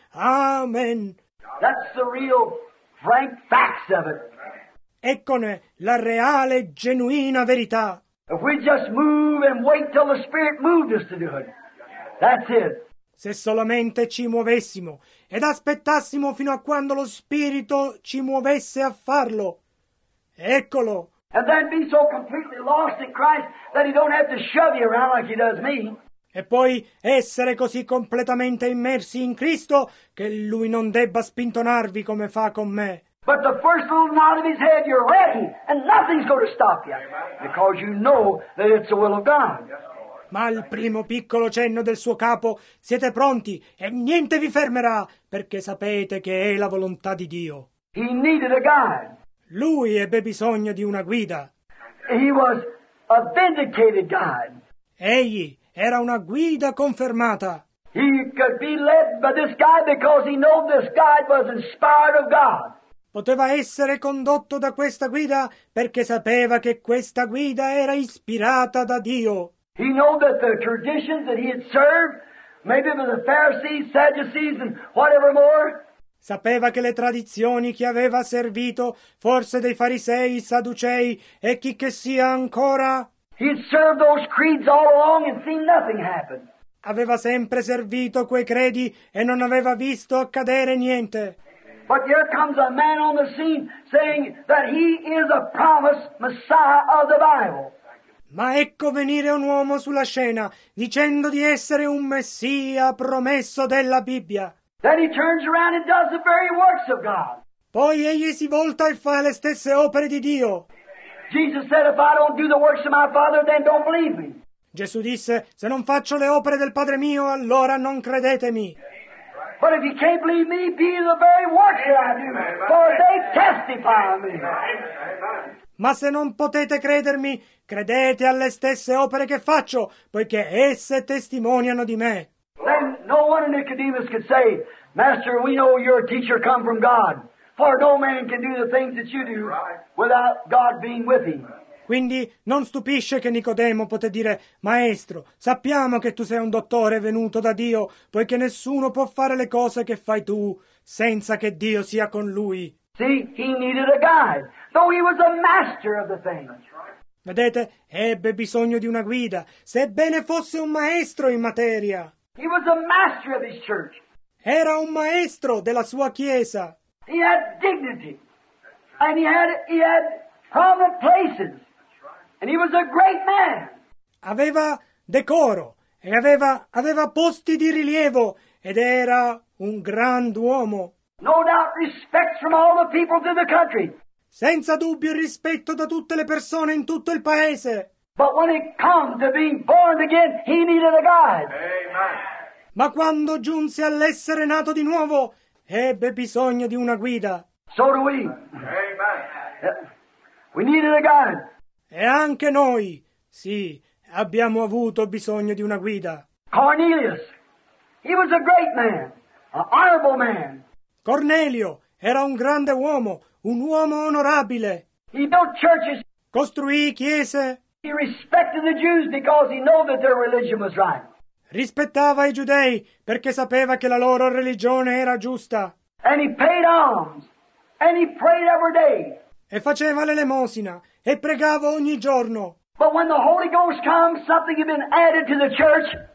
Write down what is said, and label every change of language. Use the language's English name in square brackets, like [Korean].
[English] Amen. That's the real, frank facts of it. [Italian] Eccone la reale, genuina verità. [English] If we just move and wait till the Spirit moved us to do it. That's it. [Italian] Se solamente ci muovessimo ed aspettassimo fino a quando lo Spirito ci muovesse a farlo. Eccolo. [English] And then be so completely lost in Christ that he don't have to shove you around like he does me. [Italian] E poi essere così completamente immersi in Cristo che lui non debba spintonarvi come fa con me. [English] But the first little nod of his head, you're ready and nothing's going to stop you. Because you know that it's the will of God. [Italian] Ma il primo piccolo cenno del suo capo, siete pronti e niente vi fermerà, perché sapete che è la volontà di Dio. [English] He needed a guide. [Italian] Lui ebbe bisogno di una guida. [English] He was a vindicated guide. [Italian] Egli era una guida confermata. [English] He could be led by this guide because he knew this guide was inspired of God. [Italian] Poteva essere condotto da questa guida perché sapeva che questa guida era ispirata da Dio. [English] He knew that the traditions that he had served, maybe it was the Pharisees, Sadducees, and whatever more. [Italian] Sapeva che le tradizioni che aveva servito, forse dei farisei, sadducei, e chi che sia ancora. [English] He had served those creeds all along and seen nothing happen. [Italian] Aveva sempre servito quei credi e non aveva visto accadere niente. [English] But here comes a man on the scene saying that he is a promised Messiah of the Bible. [Italian] Ma ecco venire un uomo sulla scena, dicendo di essere un Messia promesso della Bibbia. [English] Then he turns around and does the very works of God. [Italian] Poi egli si volta e fa le stesse opere di Dio. [English] Jesus said, if I don't do the works of my Father, then don't believe me. [Italian] Gesù disse, se non faccio le opere del Padre mio, allora non credetemi. [English] But if you can't believe me, be the very works that I do, for they testify of me. [Italian] Ma se non potete credermi, credete alle stesse opere che faccio, poiché esse testimoniano di me. [English] Then no one in Nicodemus could say, Master, we know you're a teacher come from God, for no man can do the things that you do without God being with him. [Italian] Quindi non stupisce che Nicodemo poté dire, Maestro, sappiamo che tu sei un dottore venuto da Dio, poiché nessuno può fare le cose che fai tu senza che Dio sia con lui. [English] See, he needed a guide, though he was a master of the things. [Italian] Vedete, ebbe bisogno di una guida, sebbene fosse un maestro in materia. [English] He was a master of his church. [Italian] Era un maestro della sua chiesa. [English] He had dignity, and he had prominent places And he was a great man. [Italian] Aveva decoro e aveva posti di rilievo ed era un grand'uomo. [English] No doubt respect from all the people to the country. [Italian] Senza dubbio il rispetto da tutte le persone in tutto il paese. [English] But when it comes to being born again, he needed a guide. [Italian] Ma quando giunse all'essere nato di nuovo, ebbe bisogno di una guida. [English] So do we. Amen. We needed a guide. [Italian] E anche noi, sì, abbiamo avuto bisogno di una guida. [English] Cornelius, he was a great man, an honorable man. [Italian] Cornelio era un grande uomo, un uomo onorabile. [English] He built churches. [Italian] Costruì chiese. [English] He respected the Jews because he knew that their religion was right. [Italian] Rispettava i giudei perché sapeva che la loro religione era giusta. [English] And he paid alms. And he prayed every day. [Italian] E faceva l'elemosina e pregava ogni giorno. [English] But when the Holy Ghost comes, something had been added to the church.